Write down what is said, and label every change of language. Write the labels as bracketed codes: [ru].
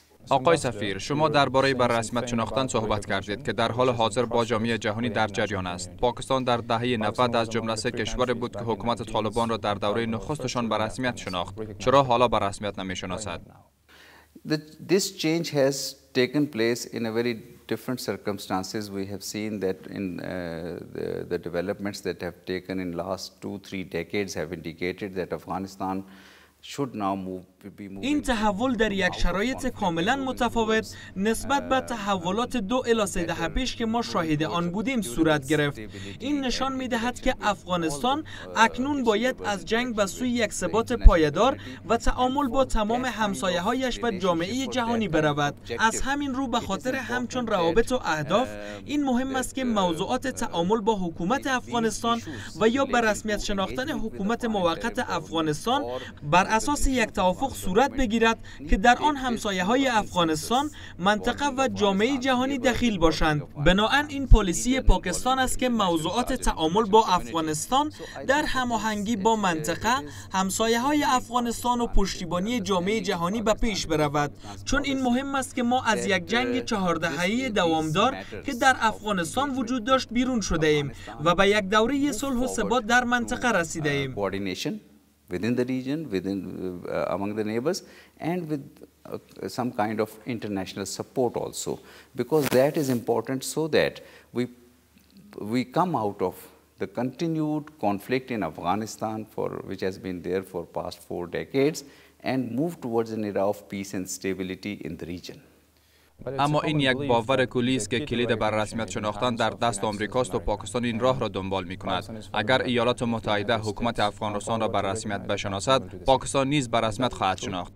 [fa] آقای سفیر، شما درباره بر رسمیت شناختن صحبت کردید که در حال حاضر با جامعه جهانی در جریان است. پاکستان در دهه 90 از جمله سه کشوری بود که حکومت طالبان را در دوره نخستشان بر رسمیت شناخت. چرا حالا بر رسمیت نمی شناسد؟ [en] This change has taken place in a very different circumstances. We have seen that in the developments that have taken in last 2-3 decades have indicated that Afghanistan should now move. [fa] این تحول در یک شرایط کاملا متفاوت نسبت به تحولات 2-3 دهه پیش که ما شاهد آن بودیم صورت گرفت. این نشان می‌دهد که افغانستان اکنون باید از جنگ به سوی یک ثبات پایدار و تعامل با تمام همسایه‌هایش و جامعه جهانی برود. از همین رو به خاطر همچون روابط و اهداف، این مهم است که موضوعات تعامل با حکومت افغانستان و یا به رسمیت شناختن حکومت موقت افغانستان بر اساس یک توافق صورت بگیرد که در آن همسایه‌های افغانستان، منطقه و جامعه جهانی دخیل باشند. بنابراین این پالیسی پاکستان است که موضوعات تعامل با افغانستان در هماهنگی با منطقه، همسایه‌های افغانستان و پشتیبانی جامعه جهانی به پیش برود. چون این مهم است که ما از یک جنگ 14 دهه‌ای دوامدار که در افغانستان وجود داشت بیرون شده ایم و به یک دوره صلح و ثبات در منطقه رسیده ایم. [en] Within the region, within among the neighbors, and with some kind of international support also, because that is important so that we come out of the continued conflict in Afghanistan for which has been there for past 4 decades and move towards an era of peace and stability in the region. [fa] اما این یک باور کلی است که کلید بر رسمیت شناختن در دست آمریکا است و پاکستان این راه را دنبال می کند. اگر ایالات متحده حکومت افغانستان را بر رسمیت بشناسد، پاکستان نیز بر رسمیت خواهد شناخت.